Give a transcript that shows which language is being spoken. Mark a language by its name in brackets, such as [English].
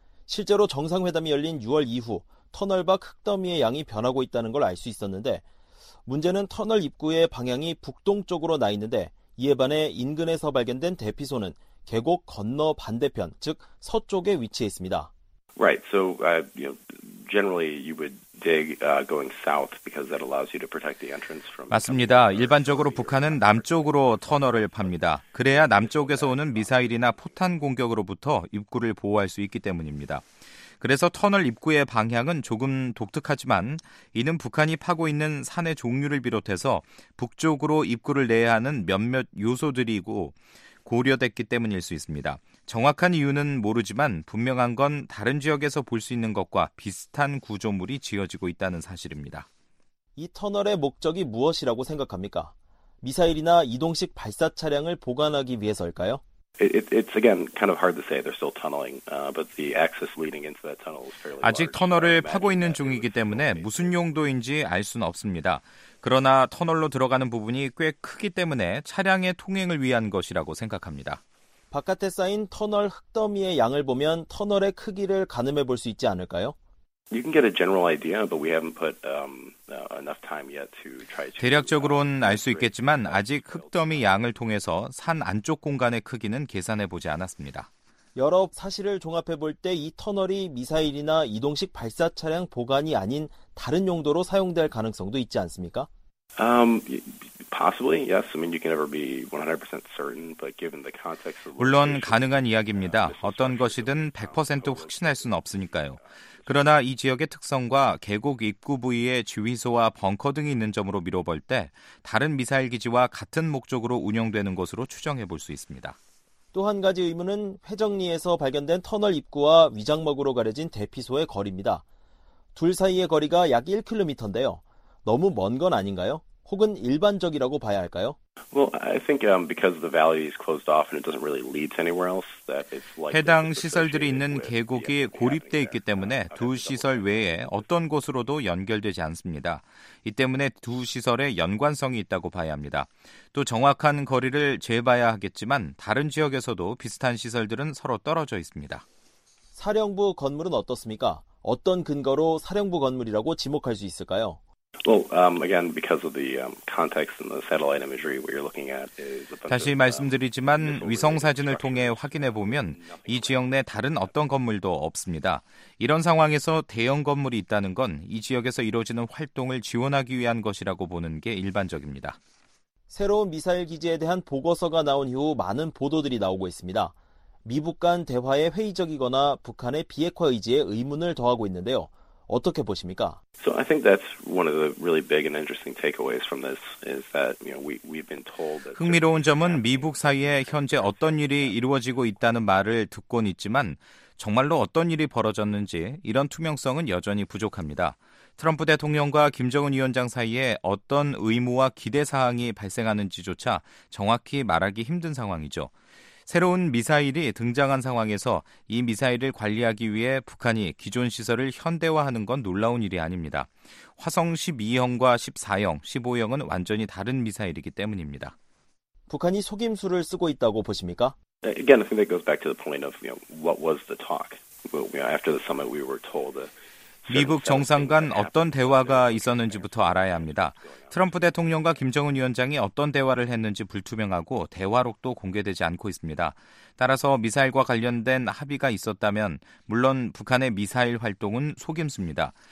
[Korean] 실제로 정상회담이 열린 6월 이후 터널 밖 흙더미의 양이 변하고 있다는 걸 알 수 있었는데 문제는 터널 입구의 방향이 북동쪽으로 나 있는데 이에 반해 인근에서 발견된 대피소는 계곡 건너 반대편, 즉 서쪽에 위치해 있습니다. [English] Right. So, generally you would dig going south because that allows you to protect the entrance from. [Korean] 맞습니다. 일반적으로 북한은 남쪽으로 터널을 팝니다. 그래야 남쪽에서 오는 미사일이나 포탄 공격으로부터 입구를 보호할 수 있기 때문입니다. 그래서 터널 입구의 방향은 조금 독특하지만 이는 북한이 파고 있는 산의 종류를 비롯해서 북쪽으로 입구를 내야 하는 몇몇 요소들이고 고려됐기 때문일 수 있습니다. 정확한 이유는 모르지만 분명한 건 다른 지역에서 볼 수 있는 것과 비슷한 구조물이 지어지고 있다는 사실입니다. 이 터널의 목적이 무엇이라고 생각합니까? 미사일이나 이동식 발사 차량을 보관하기 위해서일까요? [English] It's again kind of hard to say. They're still tunneling, but the access leading into that tunnel is fairly. [Korean] 아직 터널을 파고 있는 중이기 때문에 무슨 용도인지 알 수는 없습니다. 그러나 터널로 들어가는 부분이 꽤 크기 때문에 차량의 통행을 위한 것이라고 생각합니다. 바깥에 쌓인 터널 흙더미의 양을 보면 터널의 크기를 가늠해 볼 수 있지 않을까요? [English] You can get a general idea, but we haven't put enough time yet to try to. [Korean] 대략적으로는 알 수 있겠지만 아직 흙더미 양을 통해서 산 안쪽 공간의 크기는 계산해 보지 않았습니다. 여러 사실을 종합해 볼 때 이 터널이 미사일이나 이동식 발사 차량 보관이 아닌 다른 용도로 사용될 가능성도 있지 않습니까? [English] Possibly, yes. I mean, you can never be 100% certain, but given the context of. [Korean] 물론 가능한 이야기입니다. 어떤 것이든 100% 확신할 수는 없으니까요. 그러나 이 지역의 특성과 계곡 입구 부위에 지휘소와 벙커 등이 있는 점으로 미뤄볼 때 다른 미사일 기지와 같은 목적으로 운영되는 것으로 추정해 볼 수 있습니다. 또 한 가지 의문은 회정리에서 발견된 터널 입구와 위장막으로 가려진 대피소의 거리입니다. 둘 사이의 거리가 약 1km인데요. 너무 먼 건 아닌가요? 혹은 일반적이라고 봐야 할까요? [English] Well, I think because the valley is closed off and it doesn't really lead to anywhere else, that it's like [Korean] 해당 시설들이 있는 계곡이 고립돼 있기 때문에 두 시설 외에 어떤 곳으로도 연결되지 않습니다. 이 때문에 두 시설의 연관성이 있다고 봐야 합니다. 또 정확한 거리를 재봐야 하겠지만 다른 지역에서도 비슷한 시설들은 서로 떨어져 있습니다. 사령부 건물은 어떻습니까? 어떤 근거로 사령부 건물이라고 지목할 수 있을까요? [English] Well, again, because of the context and the satellite imagery, what you're looking at is. [Korean] 다시 말씀드리지만 위성 사진을 통해 확인해 보면 이 지역 내 다른 어떤 건물도 없습니다. 이런 상황에서 대형 건물이 있다는 건 이 지역에서 이루어지는 활동을 지원하기 위한 것이라고 보는 게 일반적입니다. 새로운 미사일 기지에 대한 보고서가 나온 이후 많은 보도들이 나오고 있습니다. 미북 간 대화에 회의적이거나 북한의 비핵화 의지에 의문을 더하고 있는데요. 어떻게 보십니까? [English] So I think that's one of the really big and interesting takeaways from this is that you know we've been told that [Korean] 흥미로운 점은 미북 사이에 현재 어떤 일이 이루어지고 있다는 말을 듣곤 있지만 정말로 어떤 일이 벌어졌는지 이런 투명성은 여전히 부족합니다. 트럼프 대통령과 김정은 위원장 사이에 어떤 의무와 기대 사항이 발생하는지조차 정확히 말하기 힘든 상황이죠. 새로운 미사일이 등장한 상황에서 이 미사일을 관리하기 위해 북한이 기존 시설을 현대화하는 건 놀라운 일이 아닙니다. 화성 12형과 14형, 15형은 완전히 다른 미사일이기 때문입니다. 북한이 속임수를 쓰고 있다고 보십니까? [English] Again, I think that goes back to the point of, you know, what was the talk? Well, you know, after the summit, we were told that [Korean] 미북 정상 간 어떤 대화가 있었는지부터 알아야 합니다. 트럼프 대통령과 김정은 위원장이 어떤 대화를 했는지 불투명하고 대화록도 공개되지 않고 있습니다. 따라서 미사일과 관련된 합의가 있었다면 물론 북한의 미사일 활동은 속임수입니다.